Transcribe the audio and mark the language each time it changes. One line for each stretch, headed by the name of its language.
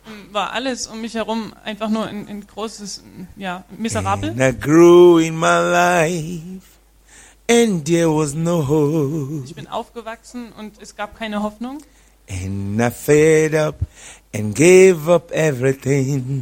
German: war alles um mich herum einfach nur ein großes, ja, miserabel.
English: And I grew in my life and there was no hope.
German: Ich bin aufgewachsen und es gab keine Hoffnung.
English: And I fed up and gave up everything.